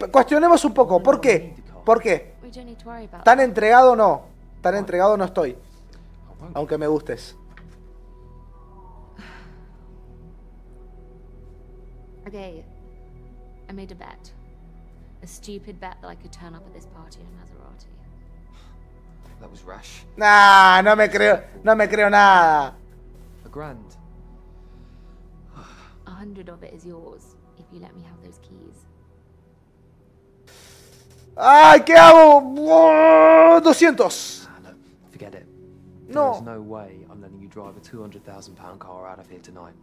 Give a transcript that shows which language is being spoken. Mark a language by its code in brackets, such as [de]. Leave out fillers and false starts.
[es] Cuestionemos un poco. ¿Por qué? ¿Por qué? ¿Tan entregado o no? Tan entregado no estoy, aunque me gustes. [en] Okay, I made a bet, a stupid bet that I could turn up at this party in Maserati. That was rash. [es] Nah, no me creo, no me creo nada. [en] A grand. 100 of it is yours if you let me have those keys. [es] Ay, ¿qué hago? 200. [en] Nah, look, forget it. No. There's no way I'm letting you drive a £200,000 car out of here tonight.